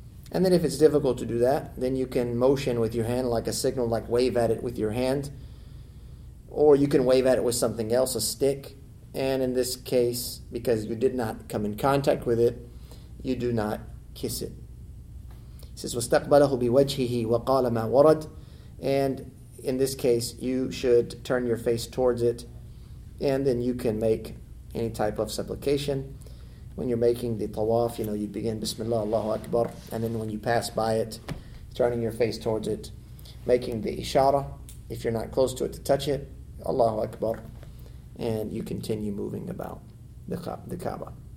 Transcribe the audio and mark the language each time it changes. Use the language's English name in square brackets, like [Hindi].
[English] And then if it's difficult to do that, then you can motion with your hand like a signal, like wave at it with your hand. Or you can wave at it with something else, a stick. And in this case, because you did not come in contact with it, you do not kiss it. He says, [Arabic] وَاسْتَقْبَلَهُ بِوَجْهِهِ وَقَالَ مَا وَرَدْ. [English] And in this case, you should turn your face towards it, and then you can make any type of supplication. When you're making the tawaf, you begin, Bismillah, Allahu Akbar, and then when you pass by it, turning your face towards it, making the ishara, if you're not close to it, to touch it, Allahu Akbar, and you continue moving about the Kaaba.